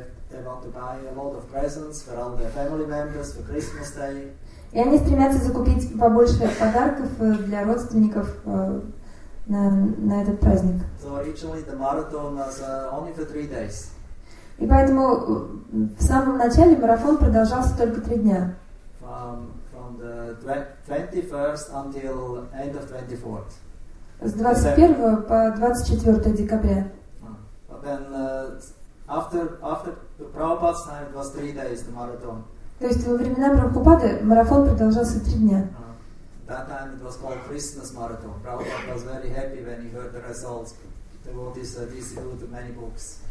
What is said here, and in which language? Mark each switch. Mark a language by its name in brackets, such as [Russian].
[English] They want to buy a lot of presents for all their family members for Christmas Day. [Russian] И они стремятся закупить побольше подарков для родственников на этот праздник. [English] So originally the marathon was only for 3 days. [Russian] И поэтому в самом начале марафон продолжался только 3 дня. [English] From the 21st until end of 24th. [Russian] С 21 по 24 декабря. [English] But then after the Prabhupada's time, it was 3 days, the marathon. [Russian] То есть во времена Прабхупады марафон продолжался 3 дня. [English] That time it was called Christmas marathon. Prabhupada was very happy when he heard the results. The devotees distributed many books.